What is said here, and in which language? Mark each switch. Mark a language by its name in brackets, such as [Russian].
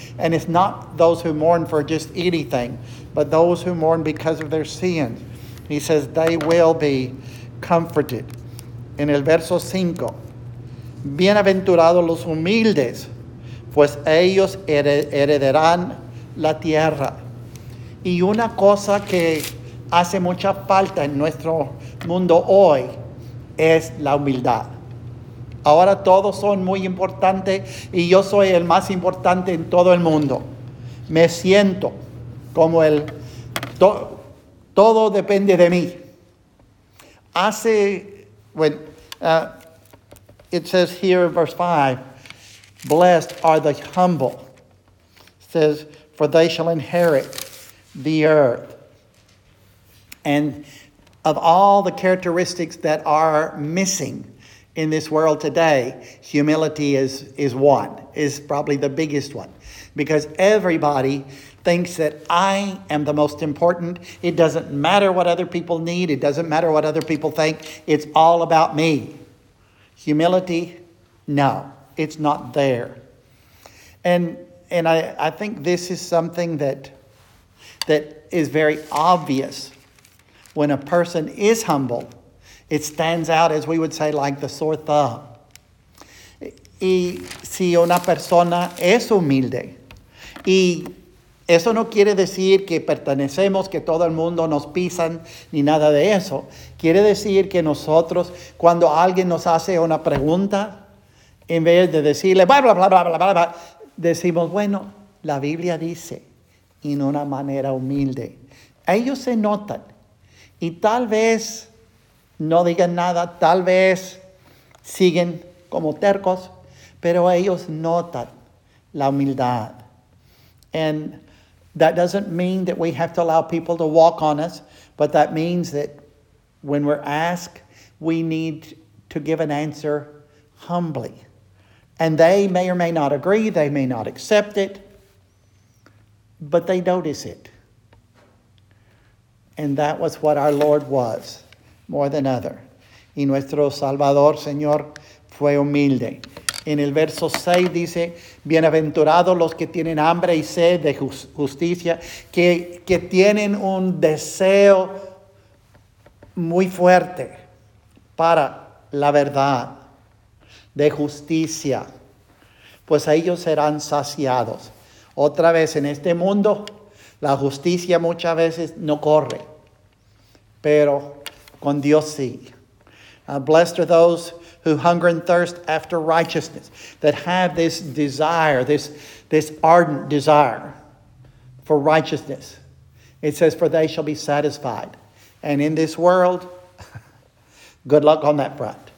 [English] And it's not those who mourn for just anything, but those who mourn because of their sins. He says, they will be comforted. [Spanish] En el verso 5, bienaventurados los humildes, pues ellos heredarán la tierra. Y una cosa que hace mucha falta en nuestro mundo hoy es la humildad. Ahora todos son muy importantes y yo soy el más importante en todo el mundo. Me siento como el todo depende de mí. [English] It says here in verse 5, blessed are the humble. It says, for they shall inherit the earth. And of all the characteristics that are missing in this world today, humility is one, is probably the biggest one. Because everybody thinks that I am the most important. It doesn't matter what other people need. It doesn't matter what other people think. It's all about me. Humility, no, it's not there. And I think this is something that is very obvious. When a person is humble, it stands out, as we would say, like the sore thumb. [Spanish] Y si una persona es humilde, y eso no quiere decir que pertenecemos, que todo el mundo nos pisan, ni nada de eso. Quiere decir que nosotros, cuando alguien nos hace una pregunta, en vez de decirle, bla, bla, bla, bla, bla, bla, bla, decimos, bueno, la Biblia dice, en una manera humilde. Ellos se notan. Y tal vez no digan nada, tal vez siguen como tercos, pero ellos notan la humildad. [English] And that doesn't mean that we have to allow people to walk on us, but that means that when we're asked, we need to give an answer humbly. And they may or may not agree, they may not accept it, but they notice it. And that was what our Lord was, more than other. [Spanish] Y nuestro Salvador, Señor, fue humilde. En el verso 6 dice, bienaventurados los que tienen hambre y sed de justicia, que tienen un deseo muy fuerte para la verdad, de justicia, pues ellos serán saciados. Otra vez en este mundo, la justicia muchas veces no corre, pero con Dios sí. [English] Blessed are those who hunger and thirst after righteousness, that have this desire, this ardent desire for righteousness. It says, for they shall be satisfied. And in this world, good luck on that front.